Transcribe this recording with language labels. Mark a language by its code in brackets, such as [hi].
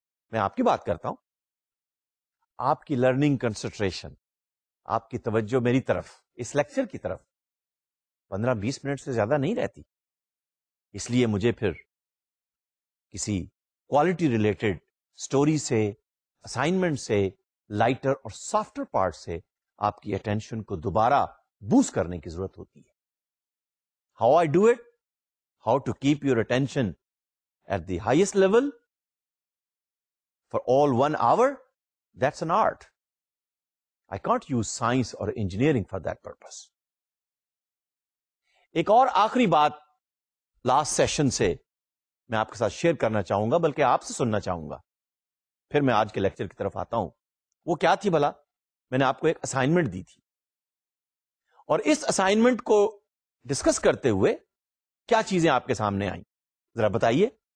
[ur] میں آپ کی بات کرتا ہوں, آپ کی لرننگ کنسنٹریشن, آپ کی توجہ میری طرف اس لیکچر کی طرف 15-20 minutes سے زیادہ نہیں رہتی, اس لیے مجھے پھر کسی کوالٹی ریلیٹڈ اسٹوری سے, اسائنمنٹ سے, لائٹر اور سافٹر پارٹ سے آپ کی اٹینشن کو دوبارہ بوسٹ کرنے کی ضرورت ہوتی ہے. [en] How I do it, how to keep your attention at the highest level for all 1 hour, that's an art. I can't use science or engineering for that purpose. [ur] ایک اور آخری بات [en] last session [ur] سے میں آپ کے ساتھ شیئر کرنا چاہوں گا, بلکہ آپ سے سننا چاہوں گا, پھر میں آج کے لیکچر کی طرف آتا ہوں. وہ کیا تھی بھلا, میں نے آپ کو ایک اسائنمنٹ دی تھی اور اس اسائنمنٹ کو ڈسکس کرتے ہوئے کیا چیزیں آپ کے سامنے آئیں ذرا بتائیے.